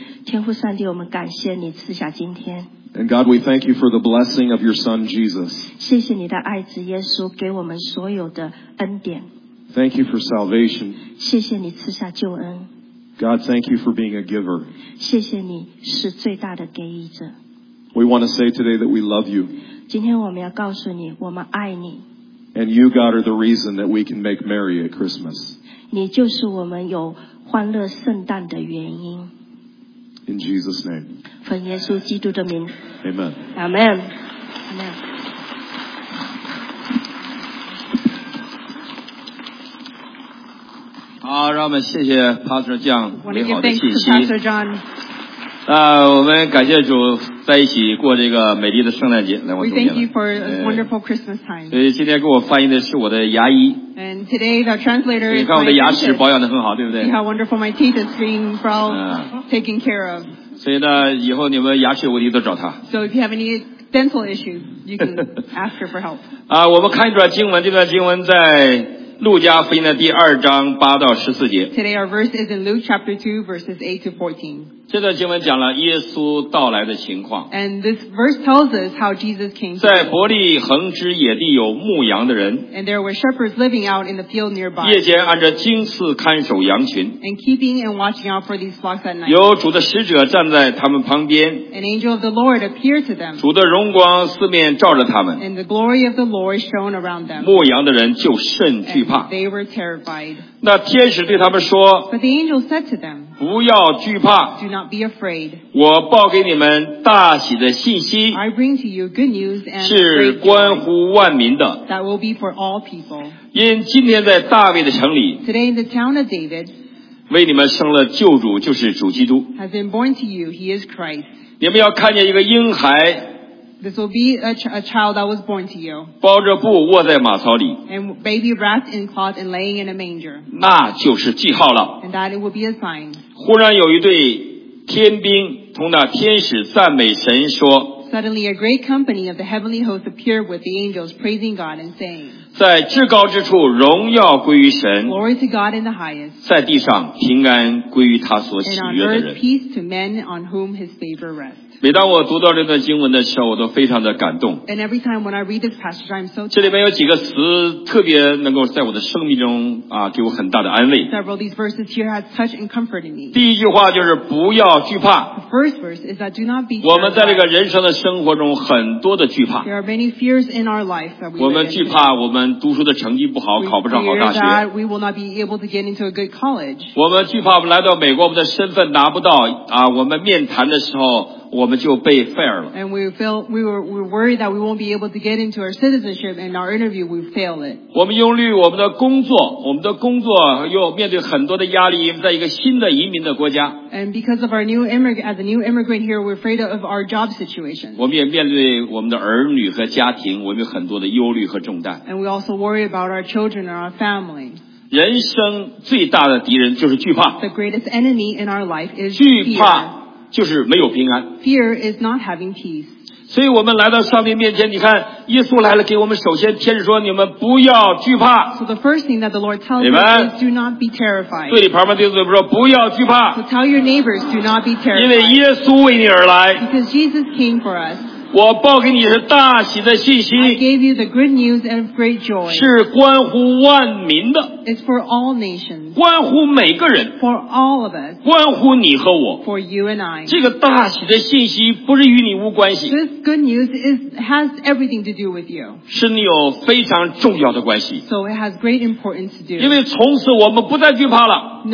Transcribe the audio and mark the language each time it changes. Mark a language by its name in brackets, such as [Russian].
[Chinese] 天父上帝，我们感谢你赐下今天。 [English] And God, we thank you for the blessing of your Son Jesus. [Chinese] 谢谢你的爱子耶稣给我们所有的恩典。 [English] Thank you for salvation. [Chinese] 谢谢你赐下救恩。 [English] God, thank you for being a giver. [Chinese] 谢谢你是最大的给予者。 [English] We want to say today that we love you. [Chinese] 今天我们要告诉你，我们爱你。 [English] And you, God, are the reason that we can make merry at Christmas. [Chinese] 你就是我们有欢乐圣诞的原因。 [English] In Jesus' name. [Chinese] 奉耶稣基督的名。 [English] Amen. Amen. Amen. [Chinese] Amen. 好，让我们谢谢 Pastor John 美好的信息。 [English] Pastor John. [Chinese] 那我们感谢主，在一起过这个美丽的圣诞节。来，我中间。 [English] We thank you for a wonderful Christmas time. [Chinese] 所以今天给我翻译的是我的牙医。 [English] And today the translator is. [Chinese] 你看我的牙齿保养得很好，对不对 [English] ？See how wonderful my teeth is being well taken care of. [Chinese] 所以呢，以后你们牙齿有问题都找他。 [English] So if you have any dental issue, you can ask her for help. [Chinese] 啊，我们看一段经文，这段经文在路加福音的第二章八到十四节。 [English] Today our verse is in Luke chapter 2 verses 8 to 14. [Chinese] 这段经文讲了耶稣到来的情况。 [English] And this verse tells us how Jesus came. [Chinese] 在伯利恒之野地有牧羊的人。 [English] And there were shepherds living out in the field nearby. [Chinese] 夜间按着经次看守羊群。 [English] And keeping and watching out for these flocks at night. [Chinese] 有主的使者站在他们旁边。 [English] An angel of the Lord appeared to them. [Chinese] 主的荣光四面照着他们。 [English] And the glory of the Lord shone around them. [Chinese] 牧羊的人就甚惧怕。 [English] And they were terrified. [Chinese] 那天使对他们说。 [English] But the angel said to them. [Chinese] 不要惧怕 [English] Do not be afraid. [Chinese] 我报给你们大喜的信息 [English] I bring to you good news and [Chinese] 是关乎万民的 [English] That will be for all people. [Chinese] 因今天在大卫的城里 [English] Today in the town of David [Chinese] 为你们生了救主就是主基督 [English] Has been born to you, he is Christ. [Chinese] 你们要看见一个婴孩 [English] This will be a child that was born to you. [Chinese] 包着布卧在马槽里 [English] And baby wrapped in cloth and laying in a manger. [Chinese] 那就是记号了 [English] And that it will be a sign. [Chinese] 忽然有一队天兵同那天使赞美神说 [English] Suddenly a great company of the heavenly host appeared with the angels praising God and saying [Chinese] 在至高之处荣耀归于神 [English] Glory to God in the highest [Chinese] 在地上平安归于他所喜悦的人 [English] And on earth peace to men on whom his favor rests [Chinese] 每当我读到这段经文的时候我都非常的感动 [English] And every time when I read this passage I'm so [Chinese] 这里面有几个词特别能够在我的生命中啊给我很大的安慰 [English] Several of these verses here have touched and comforted me [Chinese] 第一句话就是不要惧怕 [English] The first verse is that do not be [Chinese] 我们在这个人生的生活中很多的惧怕 [English] There are many fears in our life that we [Chinese] 我们惧怕我们读书的成绩不好考不上好大学 [English] We fear that we will not be able to get into a good college [Chinese] 我们惧怕我们来到美国我们的身份拿不到啊我们面谈的时候我们就被 fail 了。 [English] And we were worried that we won't be able to get into our citizenship. And our interview, we failed it. [Chinese] 我们忧虑我们的工作，我们的工作又面对很多的压力，因为在一个新的移民的国家。 [English] And because of our new immigrant, as a new immigrant here, we're afraid of our job situation. [Chinese] 我们也面对我们的儿女和家庭，我们有很多的忧虑和重担。 [English] And we also worry about our children and our family. [Chinese] 人生最大的敌人就是惧怕。 [English] The greatest enemy in our life is fear. [Chinese] 惧怕就是没有平安。 [English] Fear is not having peace. [Chinese] 所以我们来到上帝面前，你看耶稣来了，给我们首先天使说你们不要惧怕。 [English] So the first thing that the Lord tells us is do not be terrified. [Chinese] 对你旁边弟兄说不要惧怕。 [English] So tell your neighbors do not be terrified. [Chinese] 因为耶稣为你而来。 [English] Because Jesus came for us. [Chinese] 我报给你是大喜的信息 [English] I gave you the good news and great joy. [Chinese] 是关乎万民的 [English] It's for all nations. [Chinese] 关乎每个人 [English] For all of us. [Chinese] 关乎你和我 [English] For you and I. [Chinese] 这个大喜的信息不是与你无关系 [English] This good news has everything to do with you. [Chinese] 是你有非常重要的关系 [English] So it has great importance to do. [Chinese] 因为从此我们不再惧怕了